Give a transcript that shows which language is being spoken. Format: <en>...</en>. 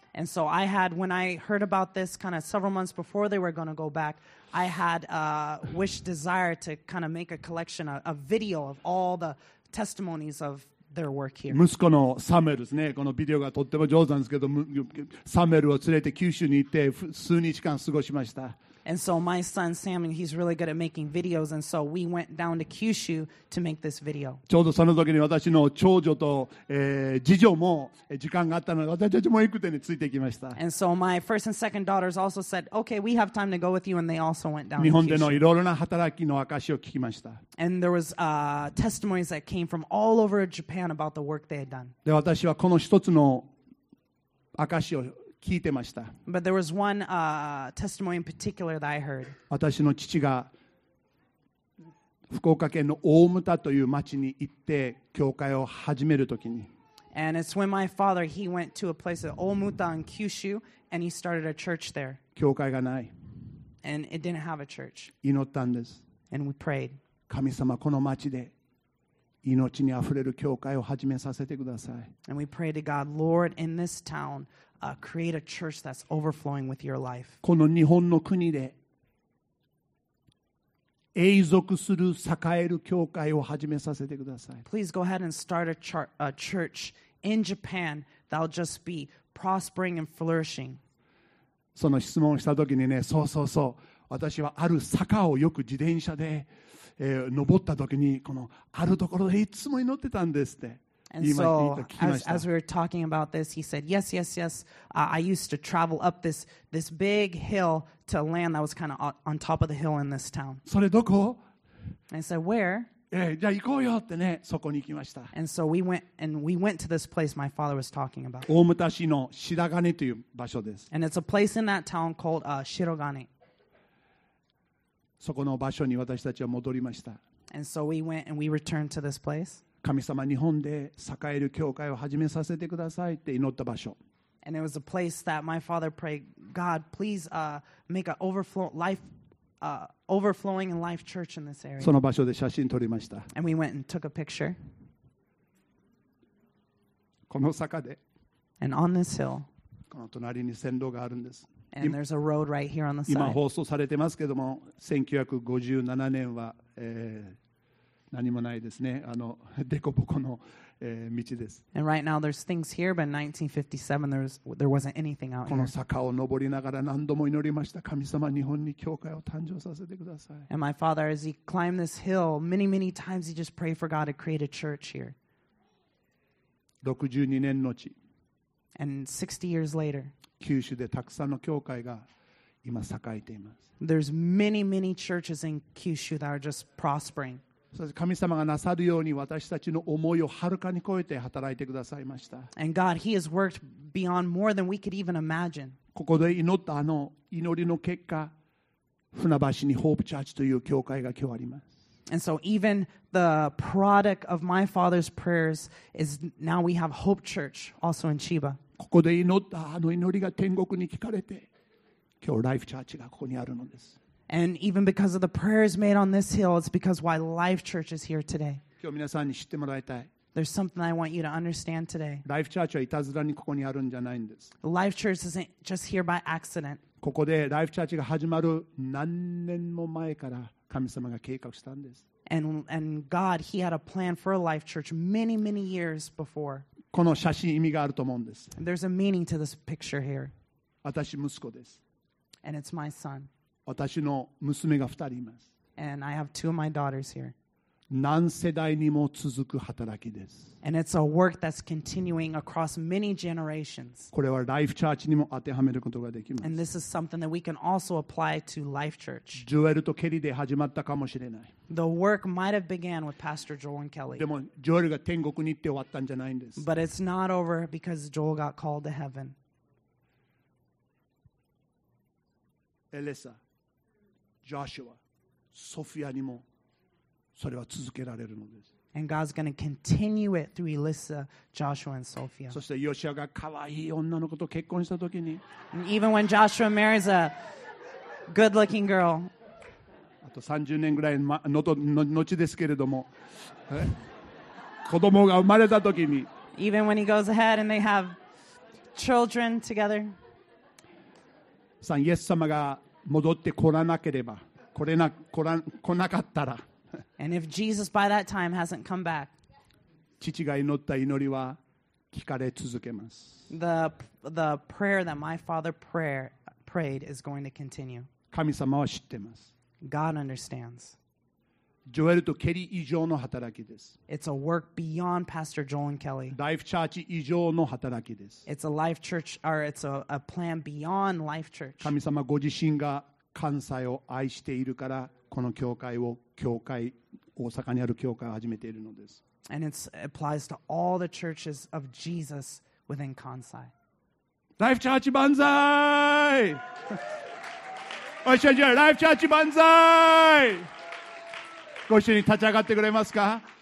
<en>And so I had, when I heard about this kind of several months before they were going to go back, I had a wish desire to kind of make a collection, a video of all the testimonies of their work here.</en> <ja>息子のサメルですね。このビデオがとっても上手なんですけど、サメルを連れて九州に行って数日間過ごしました。</ja> <en>And so my son Sam, he's really good at making videos, and so we went down to Kyushu to make this video.</en> <ja>ちょうどその時に私の長女と、次女も時間があったので、私たちも行くてについていきました。</ja> <en>And so my first and second daughters also said, okay, we have time to go with you, and they also went down.</en> <ja>日本でのいろいろな働きの証を聞きました。</ja> <en>And there was testimonies that came from all over Japan about the work they had done.</en> <ja>で、私はこの一つの証を聞いてました。</ja> <en>But there was one testimony in particular that I heard.</en> <ja>私の父が福岡県の大牟田という町に行って教会を始めるときに。</ja> <en>And it's when my father he went to a place at 大牟田in Kyushu and he started a church there.</en> <ja>教会がない。</ja> <en>And it didn't have a church.</en> <ja>祈ったんです。</ja> <en>And we prayed.</en> <ja>神様この町で命にあふれる教会を始めさせてください。</ja> <en>And we prayed to God, Lord, in this town. Create a church that's overflowing with your life.</en> <ja>この日本の国で永続する栄える教会を始めさせてください。</ja> <en>Please go ahead and start a church in Japan that'll just be prospering and flourishing.</en> <ja>その質問をしたときにね、そうそうそう、私はある坂をよく自転車で、登ったときにこのあるところでいつも祈ってたんですって。</ja> <en>And so as we were talking about this, he said, yes, yes, yes. I used to travel up this big hill to land that was kind of on top of the hill in this town.</en> <ja>それどこ?</ja> <en>I said, where?</en> <ja>じゃあ行こうよってね、そこに行きました。</ja> <en>And so we went to this place my father was talking about.</en> <ja>大牟田市の白金という場所です。</ja> <en>And it's a place in that town called Shirogane.</en> <ja>そこの場所に私たちは戻りました。</ja> <en>And so we went and we returned to this place.</en> <ja>神様、日本で栄える教会を始めさせてくださいって祈った場所。</ja> <en>And it was a place that my father prayed, God, please make an overflow life. Overflowing in life church in this area.</en> <ja>その場所で写真撮りました。</ja> <en>And we went and took a picture.</en> <ja>この坂で。</ja> <en>And on this hill.</en> <ja>この隣に線路があるんです。</ja> <en>And there's a road right here on the side.</en> <ja>今放送されてますけども、1957年は、何もないですね。デコボコの、道です。</ja> <en>And right now there's things here, but in 1957 there wasn't anything out here.</en> <ja>この坂を登りながら何度も祈りました。神様、日本に教会を誕生させてください。</ja> <en>And my father, as he climbed this hill, many, many times he just prayed for God to create a church here.</en> <ja>62年のち。</ja> <en>And 60 years later.</en> <ja>九州でたくさんの教会が今栄えています。</ja> <en>There's many, many churches in Kyushu that are just prospering.</en> <ja>神様がなさるように私たちの思いをはるかに超えて働いてくださいました。</ja> <en>And God, He has worked beyond more than we could even imagine.</en> <ja>ここで祈ったあの祈りの結果、船橋にホープチャーチという教会が今日あります。</ja> <en>And so even the product of my father's prayers is now we have Hope Church also in Chiba.</en> <ja>ここで祈ったあの祈りが天国に聞かれて、今日ライフチャーチがここにあるのです。</ja> <en>And even because of the prayers made on this hill, it's because why Life Church is here today.</en> <ja>今日皆さんに知ってもらいたい。</ja> <en>There's something I want you to understand today.</en> <ja>Life Church はいたずらにここにあるんじゃないんです。</ja> <en>Life Church isn't just here by accident.</en> <ja>ここで Life Church が始まる何年も前から神様が計画したんです。</ja> <en>And God, He had a plan for a Life Church many, many years before.</en> <ja>この写真意味があると思うんです。</ja> <en>And there's a meaning to this picture here.</en> <ja>私息子です。</ja> <en>And it's my son.</en> <ja>私の娘が2人います。</ja> <en>And I have two of my daughters here.</en> <ja>何世代にも続く働きです。</ja> <en>And it's a work that's continuing across many generations.</en> <ja>これはライフチャーチにも当てはめることができます。</ja> <en>And this is something that we can also apply to Life Church.</en> <ja>ジョエルとケリーで始まったかもしれない。</ja> <en>The work might have began with Pastor Joel and Kelly.</en> <ja>でもジョエルが天国に行って終わったんじゃないんです。</ja> <en>But it's not over because Joel got called to heaven.</en> <ja>エレサ。ジョシュア、ソフィアにもそれは続けられるのです。</ja> <en>And God's going to continue it through Elissa, Joshua, and Sophia.</en> <ja>そしてヨシアが可愛い女の子と結婚したときに、</ja> <en>and even when Joshua marries a good-looking girl.</en> <ja>あと30年ぐらい後ですけれども、子供が生まれたときに、</ja> <en>even when he goes ahead and they have children together.</en> <ja>さん、イエス様が戻って来らなければ、来なかったら。</ja> <en>And if Jesus by that time hasn't come back,</en> <ja>父が祈った祈りは聞かれ続けます。</ja> <en>The prayer that my father prayed is going to continue.</en> <ja>神様は知ってます。</ja> <en>God understands.</en> <ja>ジョエルとケリー以上の働きです。</ja> <en>It's a work beyond Pastor Joel and Kelly.</en> <ja>Life Church 以上の働きです。</ja> <en>It's a Life Church, or it's a plan beyond Life Church.</en> <ja>神様ご自身が関西を愛しているから、この教会を大阪にある教会を始めているのです。</ja> <en>And it applies to all the churches of Jesus within Kansai.</en> <ja>Life Church 万歳！おいしょじゃあ、Life Church 万歳！ご一緒に立ち上がってくれますか?</ja>